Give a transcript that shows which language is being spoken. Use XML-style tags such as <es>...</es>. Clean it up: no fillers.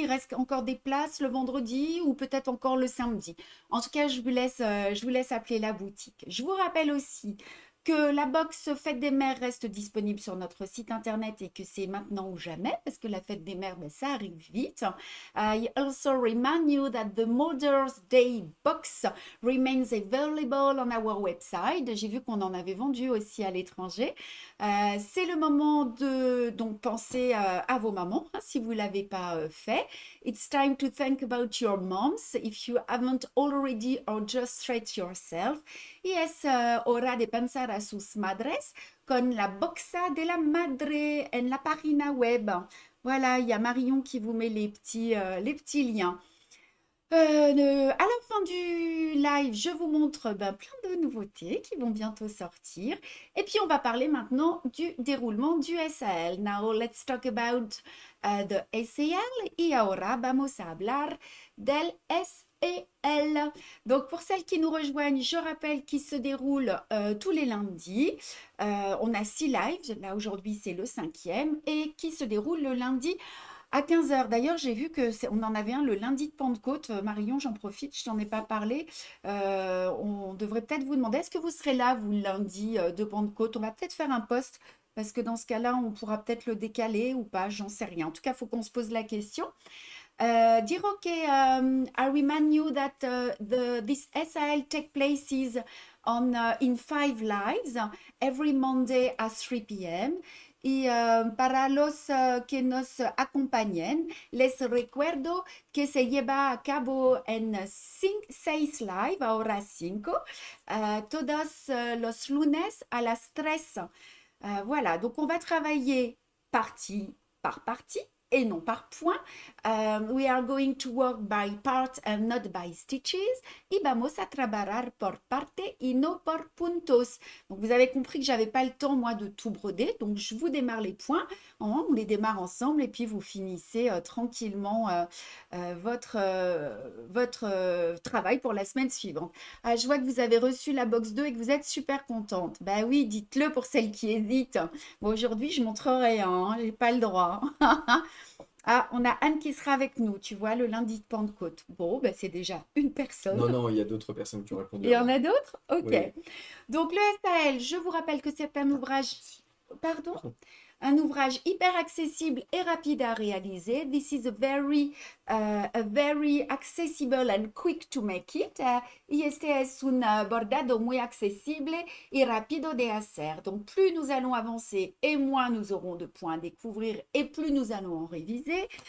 <fr>Il reste encore des places le vendredi ou peut-être encore le samedi. En tout cas, je vous laisse appeler la boutique. Je vous rappelle aussi que la box Fête des Mères reste disponible sur notre site internet et que c'est maintenant ou jamais, parce que la Fête des Mères, ben, ça arrive vite.</fr> <en>I also remind you that the Mother's Day box remains available on our website.</en> <fr>J'ai vu qu'on en avait vendu aussi à l'étranger. C'est le moment de donc penser à vos mamans, hein, si vous ne l'avez pas fait.</fr> <en>It's time to think about your moms if you haven't already or just treat yourself.</en> <es>Y es hora de pensar a sus madres con la boxa de la madre en la página web.</es> <fr>Voilà, il y a Marion qui vous met les petits liens. À la fin du live, je vous montre ben, plein de nouveautés qui vont bientôt sortir. Et puis, on va parler maintenant du déroulement du SAL.</fr> <en>Now, let's talk about the SAL.</en> <es>Y ahora vamos a hablar del SAL.</es> <fr>Donc, pour celles qui nous rejoignent, je rappelle qu'il se déroule tous les lundis. On a 6 lives. Là, aujourd'hui, c'est le cinquième. Et qui se déroule le lundi à 15h. D'ailleurs, j'ai vu qu'on en avait un le lundi de Pentecôte. Marion, j'en profite, je t'en ai pas parlé. On devrait peut-être vous demander, est-ce que vous serez là, vous, le lundi de Pentecôte? On va peut-être faire un post, parce que dans ce cas-là, on pourra peut-être le décaler ou pas, j'en sais rien. En tout cas, il faut qu'on se pose la question.</fr> <en>Dire OK, I remind you that this SAL take places in 5 lives every Monday at 3 p.m.</en> <es>Y para los que nos acompañen, les recuerdo que se lleva a cabo en 6 lives, ahora 5, todos los lunes a las 13.</es> <fr>Voilà, donc on va travailler partie par partie et non par points.</fr> <en>We are going to work by part and not by stitches.</en> <es>Y vamos a trabajar por parte y no por puntos.</es> <fr>Donc, vous avez compris que je n'avais pas le temps, moi, de tout broder. Donc, je vous démarre les points. On les démarre ensemble et puis vous finissez tranquillement votre travail pour la semaine suivante. Je vois que vous avez reçu la box 2 et que vous êtes super contente. Ben oui, dites-le pour celles qui hésitent. Bon, aujourd'hui, je ne montre rien. Hein, je n'ai pas le droit. Ah, on a Anne qui sera avec nous, tu vois, le lundi de Pentecôte. Bon, ben c'est déjà une Non, personne. non, il y a d'autres personnes qui ont répondu Il y en avant. a d'autres? Ok. Oui. Donc, le SAL, je vous rappelle que c'est un ouvrage. Pardon? Pardon. un ouvrage hyper accessible et rapide à réaliser.</fr> <en>This is a very accessible and quick to make it.</en> <es>Y este es un bordado muy accesible y rápido de hacer.</es> <fr>Donc, plus nous allons avancer et moins nous aurons de points à découvrir et plus nous allons en réviser.</fr>